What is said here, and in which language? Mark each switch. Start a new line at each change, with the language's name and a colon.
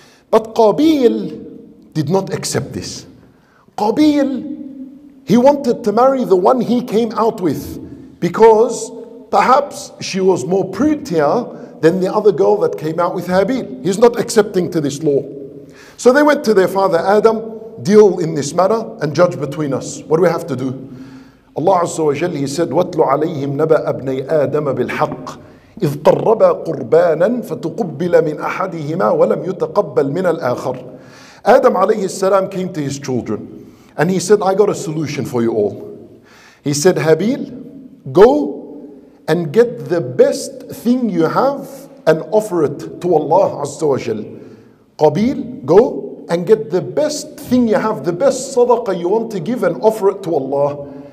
English: But Qabil did not accept this. Qabil, he wanted to marry the one he came out with, because perhaps she was more prettier than the other girl that came out with Habil. He's not accepting to this law. So they went to their father Adam, deal in this matter and judge between us. What do we have to do?
Arabic: Allah Azza wa Jalla,
English: he said,
Arabic: وَاتْلُ عَلَيْهِمْ نَبَأَ أَبْنَيْ آدَمَ بِالْحَقِّ إِذْ قَرَّبَا قُرْبَانًا فَتُقُبِّلَ مِنْ أَحَدِهِمَا وَلَمْ يُتَقَبَّلْ مِنَ الْآخَرِ.
English: Adam alayhi salam came to his children and he said, I got a solution for you all. He said, Habil, go and get the best thing you have and offer it to Allah Azza wa Jal. Qabil, go and get the best thing you have, the best sadaqah you want to give and offer it to Allah.